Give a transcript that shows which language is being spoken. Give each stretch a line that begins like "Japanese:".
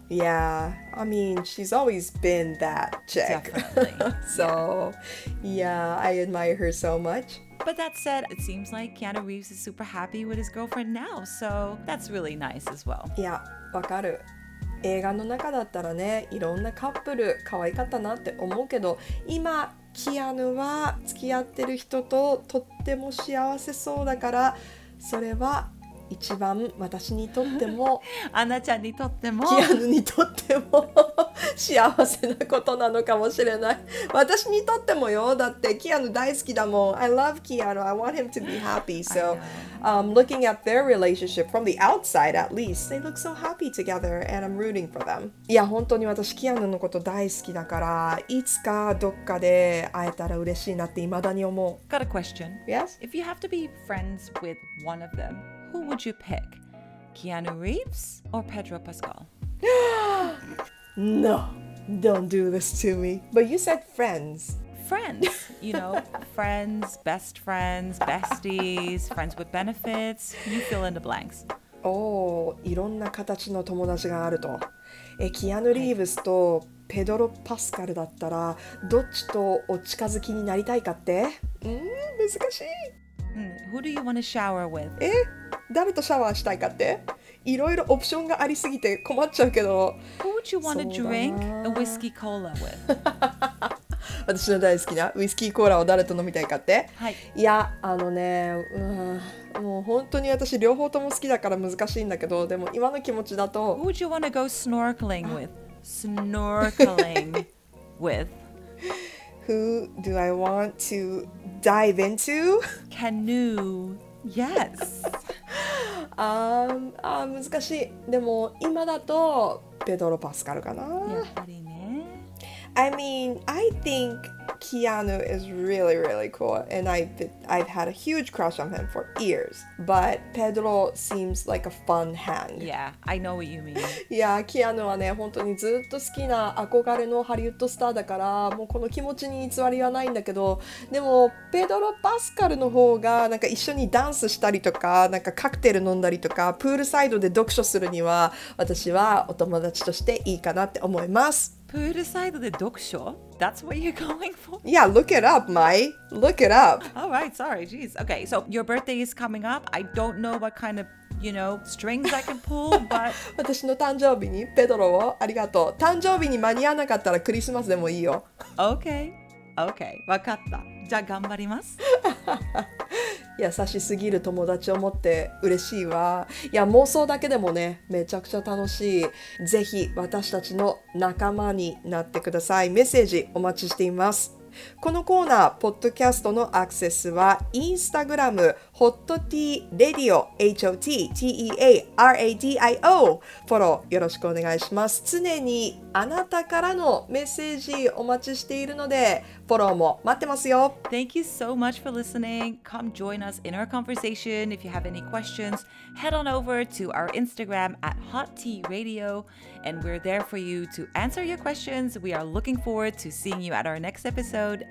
English: Yeah, I mean, she's always been that chick. Definitely. So, yeah, I admire her so much. But that said, it seems like Keanu Reeves is super happy with his girlfriend now, so that's really nice as well. Yeah,
Japanese: wakaru. 映画の中だったらね、いろんなカップル可愛かったなって思うけど、今キアヌは付き合ってる人ととっても幸せそうだから、それは一番私にとってもアナちゃんにとってもキアヌにとっても幸せなことなのかもしれない。私にとってもよ、だってキアヌ大好きだもん。
English: I love Keanu, I want him to be happy. So looking at their relationship from the outside, at least they look so happy together and I'm rooting for them. いや本当に私キアヌのこと大好きだから、いつかどっかで会えたら嬉しいなって未だに思う。 Got a question? Yes? If you have to be friends with one of themWho would you pick? Keanu Reeves or Pedro Pascal? No, don't do this to me. But you said friends. Friends, you know, friends, best friends, besties, friends with benefits. You fill in the blanks.
Japanese: Oh, いろんな形の友達があると。 Keanu Reeves とペドロ・パスカルだったら、どっちとお近づきになりたいかって？ん、難しい。
English: Who do you want to shower with?
Japanese: え、誰とシャワーしたいかって、いろいろオプションがありすぎて困っちゃうけど。
English: Who would you want to drink a whiskey cola with?
Japanese: 私の大好きなウイスキーコーラを誰と飲みたいかって、はい、いやあのね、うん、もう本当に私両方とも好きだから難しいんだけど、でも今の気持ちだと。
English: Who would you want to go snorkeling with? Snorkeling with? Who do I want to dive into? Canoe. Yes.
Japanese: 難しい。でも今だとペドロ・パスカルかな。やっぱりね。
English: I mean, I think Keanu is really, really cool. And I've had a huge crush on him for years. But Pedro seems like a fun hang. Yeah, I know what you mean.
Japanese: Yeah, Keanu はね、本当にずっと好きな憧れのハリウッドスターだから、もうこの気持ちに偽りはないんだけど、でも、Pedro Pascal の方が、なんか一緒にダンスしたりとか、なんかカクテル飲んだりとか、プールサイドで読書するには、私はお友達としていいかなって思います。プールサイドで読書?
English: That's what you're going for? Yeah, look it up, Mai. Look it up. All right, sorry, jeez. Okay, so your birthday is coming up. I don't know what kind of, you know, strings I can pull, but...
Japanese: 私の誕生日に、ペドロを、ありがとう。誕生日に間に合わなかったらクリスマスでもいいよ。
English: Okay, okay,
Japanese: わかった。じゃあ頑張ります。優しすぎる友達を持って嬉しいわ。いや妄想だけでもねめちゃくちゃ楽しい。ぜひ私たちの仲間になってください。メッセージお待ちしています。このコーナーポッドキャストのアクセスはインスタグラム HOTTEARADIO HOTTEARADIO フォローよろしくお願いします。常にあなたからのメッセージお待ちしているのでフォローも待ってますよ。
English: Thank you so much for listening. Come join us in our conversation. If you have any questions, head on over to our Instagram at HOTTEARADIO and we're there for you to answer your questions. We are looking forward to seeing you at our next episode.